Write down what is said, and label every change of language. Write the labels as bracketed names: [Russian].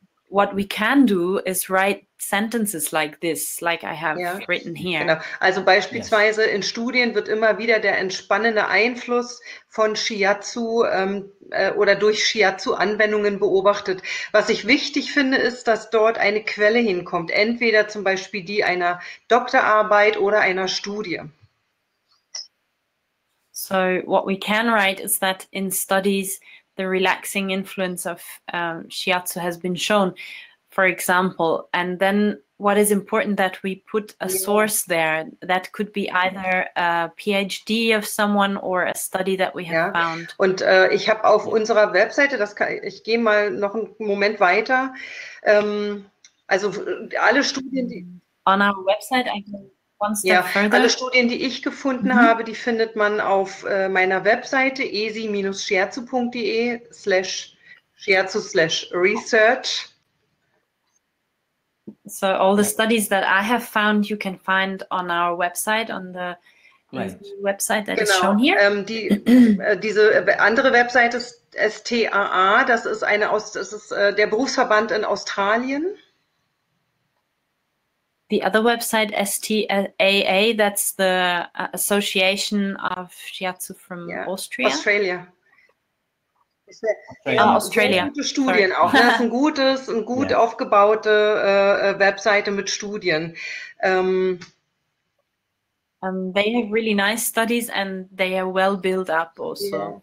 [English] What we can do is write sentences like this, like I have written here. [German] Genau. Also beispielsweise in Studien wird immer wieder der entspannende Einfluss von Shiatsu oder durch Shiatsu-Anwendungen beobachtet. Was ich wichtig finde, ist, dass dort eine Quelle hinkommt, entweder zum Beispiel die einer Doktorarbeit oder einer Studie. [English] So what we can write is that in studies the relaxing influence of shiatsu has been shown, for example. And then what is important that we put a source there that could be either a PhD of someone or a study that we have found. [German] Und ich habe auf unserer Webseite, ich gehe mal noch einen Moment weiter, also alle Studien, die... [English] On our website, I can... [German] Alle Studien, die ich gefunden habe, die findet man auf meiner Webseite esi-shiatsu.de/shiatsu/research. [English] So all the studies that I have found, you can find on our website, on the website that is shown here. [German] Diese andere Webseite ist STAA, das ist eine aus, das ist der Berufsverband in Australien. [English] The other website, STAA, that's the Association of Shiatsu from Austria. Australia. Australia. [German] Gute Studien auch. Das ist ein gut aufgebaute Webseite mit Studien. [English] They have really nice studies and they are well built up also.